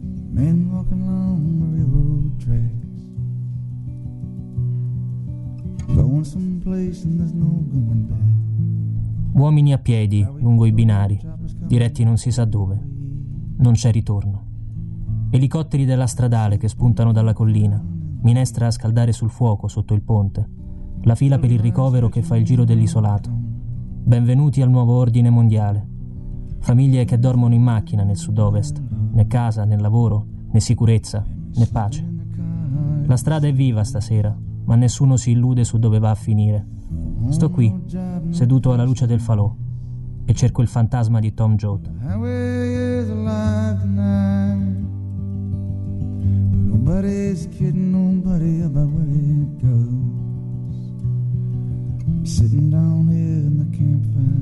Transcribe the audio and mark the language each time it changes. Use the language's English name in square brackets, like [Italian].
[English] Men walking along the railroad tracks, going someplace and there's no going back. [Italian] Uomini a piedi lungo i binari, diretti non si sa dove. Non c'è ritorno. Elicotteri della stradale che spuntano dalla collina, minestra a scaldare sul fuoco sotto il ponte, la fila per il ricovero che fa il giro dell'isolato. Benvenuti al nuovo ordine mondiale. Famiglie che dormono in macchina nel sud-ovest, né casa, né lavoro, né sicurezza, né pace. La strada è viva stasera, ma nessuno si illude su dove va a finire. Sto qui, seduto alla luce del falò, e cerco il fantasma di Tom Jordan. [English] The highway is alive tonight. Nobody's kidding nobody about where it goes. I'm sitting down here in the campfire.